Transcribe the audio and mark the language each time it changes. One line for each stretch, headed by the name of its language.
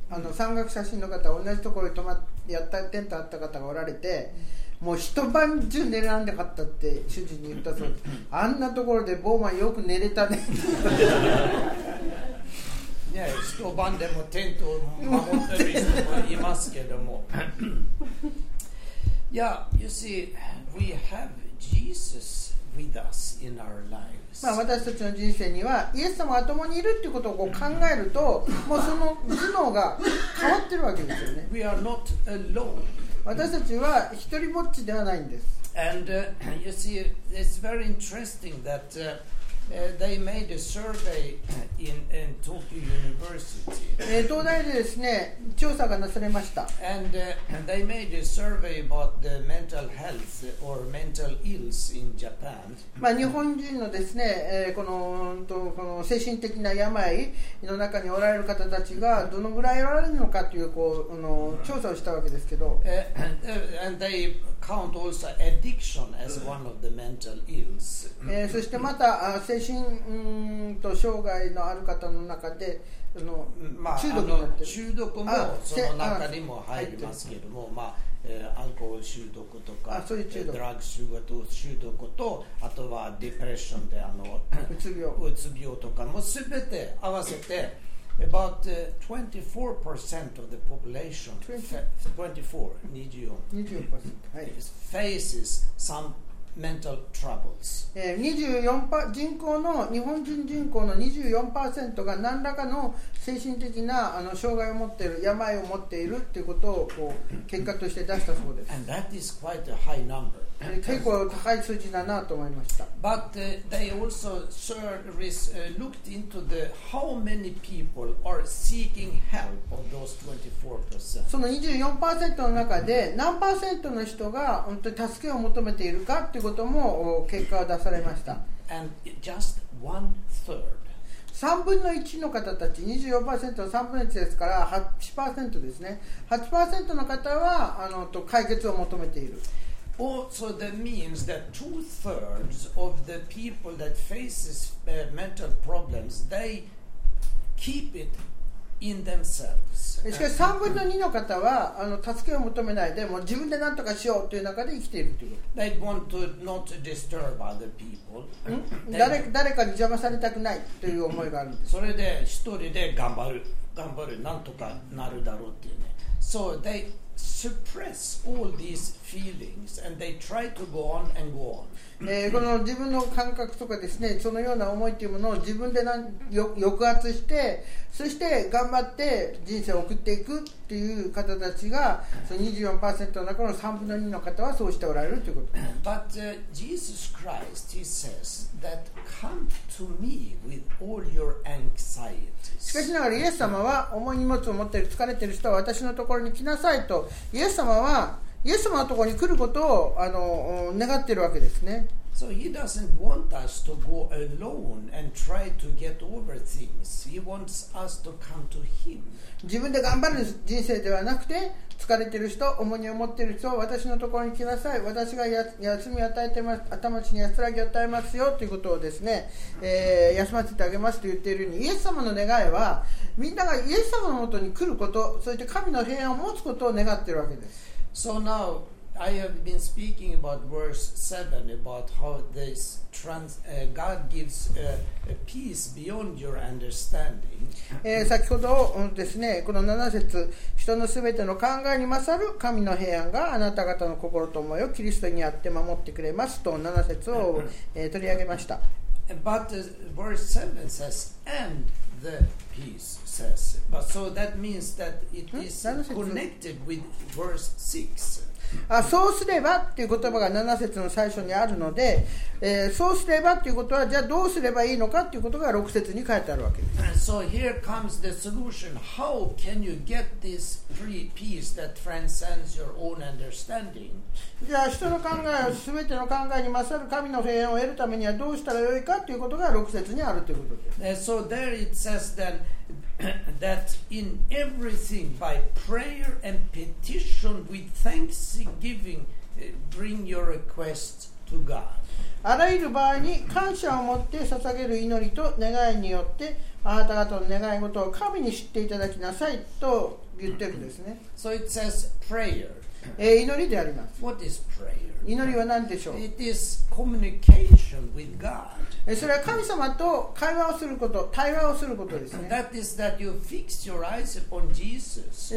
Japanese: あの山岳写真の方、同じところに泊まってやったテントあった方がおられて、もう一晩中寝られなかったって主人に言ったそうです。あんなところでボーマンよく寝れたね。いや一晩でもテントを守ってる人もいますけども。
English: いや、yeah, You see, we have Jesus with us in our lives。
Japanese: まあ私たちの人生にはイエス様が共にいるってことをこう考えると、もうその頭脳が変わってるわけですよね。
English: We are not alone。
Japanese: 私たちは一人ぼっちではないんです。
English: And you see, it's very interesting that they made a survey in Tokyo University.
Japanese: 東大でですね、調査がなされました。
English: And they made a survey about the mental health or mental ills in Japan.
Japanese: まあ日本人のですね、この精神的な病の中におられる方たちがどのぐらいおられるのかというこうあの調査をしたわけですけど。
English: And they count also addiction as one of the mental ills.
Japanese: そしてまた精神と障害のある方の中で。まあ、中毒になってる、あの中毒もその中にも入りますけども、まあアルコール中毒とかそういう中毒ドラッグ中毒とあとはディプレッションであのうつ病うつ病とかも全て合わせて
English: about 24% of the population 24% faces some mental troubles
Japanese: 人口の日本人人口の 24% が何らかの精神的なあの障害を持っている病を持っているっていうことをこう結果として出したそうです
English: and that is quite a high number
Japanese: 結構高い数字だなと思いました
English: but they also looked into the how many people are seeking help of those 24%
Japanese: その 24% の中で何パーセントの人が本当に助けを求めているかということも結果を出されました
English: and just one third
Japanese: 3分の1の方たち 24% は3分の1ですから 8% ですね 8% の方はあのと解決を求めている
English: Also that means that two-thirds of the people that faces mental problems they keep it in themselves
Japanese: しかし3分の2の方はあの助けを求めないでも自分で何とかしようという中で生きているということ
English: They want to not disturb other people
Japanese: 誰かに邪魔されたくないという思いがあるんですそれで一人で頑張る何とかなるだろうっていうね
English: So they suppress all these feelings and they try to go on and go on
Japanese: この自分の感覚とかですねそのような思いというものを自分で抑圧してそして頑張って人生を送っていくっていう方たちがその 24% の中の3分の2の方はそうしておられるということです
English: But Jesus Christ he says that come to me with all your anxieties
Japanese: しかしながらイエス様は重い荷物を持っている疲れている人は私のところに来なさいとイエス様はイエス様のところに来ることをあの願っているわけですね。
English: So he doesn't want us to go alone and try to get over things. He wants us to come to him.
Japanese: 自分で頑張る人生ではなくて、疲れている人、重荷を持っている人を私のところに来なさい。私が休みを与えてます、頭に安らぎを与えますよということをですね、休ませてあげますと言っているように、イエス様の願いは、みんながイエス様のもとに来ること、そして神の平安を持つことを願っているわけです。
English: So now I have been speaking about verse 7 about how this God gives a peace beyond your understanding.
Japanese: 先ほどですね、この7節、人のすべての考えに勝る神の平安があなた方の心と思いをキリストにあって守ってくれますと7節を取り上げました。
English: But verse 7 says, and the peace says. But so that means that it is connected with verse 6.
Japanese: あそうすればっていう言葉が7節の最初にあるので、そうすればっていうことはじゃあどうすればいいのかっていうことが6節に書いてあるわけです。
English: So here comes the solution. How can you get this free peace that transcends your own understanding?
Japanese: じゃあ人の考えは全ての考えに勝る神の平安を得るためにはどうしたらよいかっていうことが6節にあるということです。
English: So there it says then that in everything by prayer and petition with thanksgiving bring your requests to God.
Japanese: あらゆる場合に感謝を持って捧げる祈りと願いによってあなた方の願い事を神に知っていただきなさいと言ってるんですね。
English: So it says prayer.
Japanese: 祈りであります。
English: What is prayer?
Japanese: 祈りは何でしょう?
English: It is communication with God.
Japanese: それは神様と会話をすること、対話をすることですね。
English: That is that you fix your eyes upon Jesus.